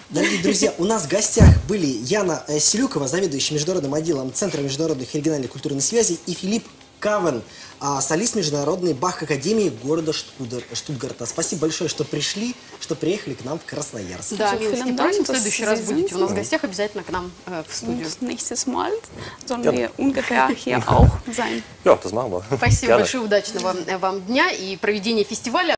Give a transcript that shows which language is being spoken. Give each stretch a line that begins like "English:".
Russian: Дорогие друзья, у нас в гостях были Яна Селюкова, заведующий международным отделом Центра международных и региональных культурных связей, и Филипп Кавен, солист международной Бах-академии города Штутгарта. Спасибо большое, что пришли, что приехали к нам в Красноярск. Да, милости просим, в следующий раз будете у нас в гостях, обязательно к нам в студию.
German: Und nächstes Mal sollen wir ungefähr hier auch sein. Ja, das machen wir.
Russian: Спасибо большое, удачного вам дня и проведения фестиваля.